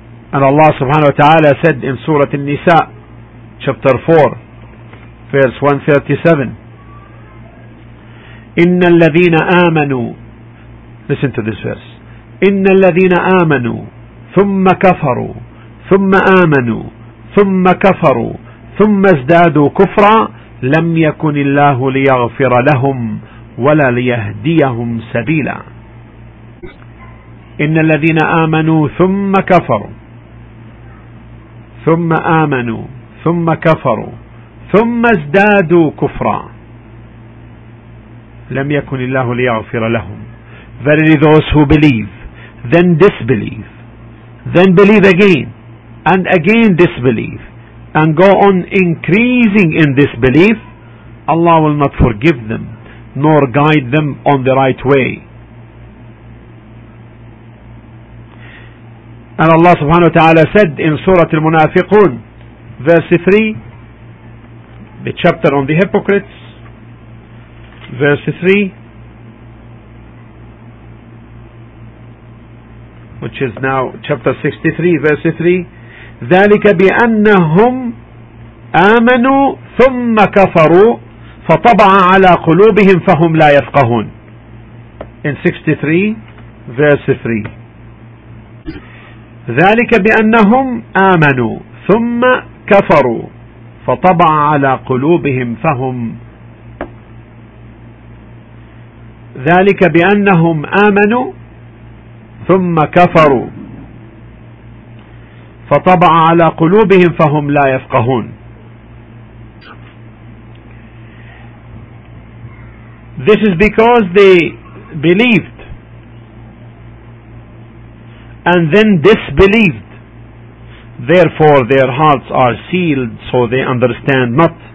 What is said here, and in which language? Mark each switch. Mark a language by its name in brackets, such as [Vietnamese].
[English] And Allah subhanahu wa ta'ala said in Surah An-Nisa, chapter 4, verse 137, [Arabic] إِنَّ الَّذِينَ آمَنُوا, [English] listen to this verse, [Arabic] إِنَّ الَّذِينَ آمَنُوا ثُمَّ كَفَرُوا ثُمَّ آمَنُوا ثُمَّ كَفَرُوا ثُمَّ ازْدَادُوا كُفْرًا لَمْ يَكُنِ اللَّهُ لِيَغْفِرَ لَهُمْ وَلَا لِيَهْدِيَهُمْ سَبِيلًا. إِنَّ الَّذِينَ آمَنُوا ثُمَّ كَفَرُوا ثم آمنوا ثم كفروا ثم ازدادوا كفرا لم يكن الله ليغفر لهم. [English] Verily those who believe, then disbelieve, then believe again, and again disbelieve, and go on increasing in disbelief, Allah will not forgive them, nor guide them on the right way. And Allah subhanahu wa ta'ala said in Surah Al-Munafiqun, verse 3, the chapter on the hypocrites, verse 3, which is now chapter 63, verse 3, [Arabic] ذَلِكَ بِأَنَّهُمْ آمَنُوا ثُمَّ كَفَرُوا فَطَبَعَ عَلَىٰ قُلُوبِهِمْ فَهُمْ لَا يَفْقَهُونَ. [English] In 63, verse 3. [Arabic] ذلك بأنهم آمنوا ثم كفروا فطبع على قلوبهم فهم ذلك بأنهم آمنوا ثم كفروا فطبع على قلوبهم فهم لا يفقهون. [English] This is because they believed and then disbelieved, therefore their hearts are sealed, so they understand not.